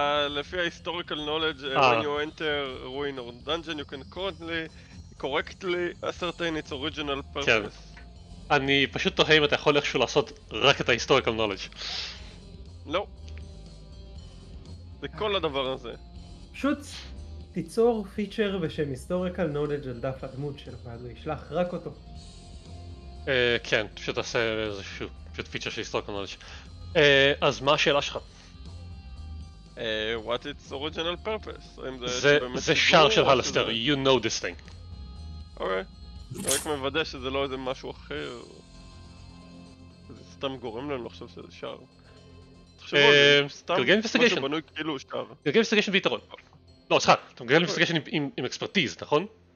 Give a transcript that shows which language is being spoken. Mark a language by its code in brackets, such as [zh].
[he] לפי ההיסטוריקל נולדג' [en] when you enter ruin or dungeon you can correctly ascertain its original purpose. [he] כן. אני פשוט תוהה אם אתה יכול איכשהו לעשות רק את ההיסטוריקל נולדג'. לא. זה כל הדבר הזה. פשוט תיצור פיצ'ר בשם היסטוריקל נולדג' על דף הדמות שלך ואז הוא ישלח רק אותו. כן, פשוט עשה איזשהו פשוט פיצ'ר של היסטוריקל נולדג'. אז מה השאלה שלך? [en] What its original purpose? [he] זה שער של הלסטר, [en] you know this thing. [he] אוקיי, רק מוודא שזה לא איזה משהו אחר. זה סתם גורם לנו לחשוב שזה שער. תחשבו, זה סתם משהו בנוי כאילו שער. גרגל investigation ביתרון. לא, סליחה, אתה מגרגל investigation עם expertise, נכון?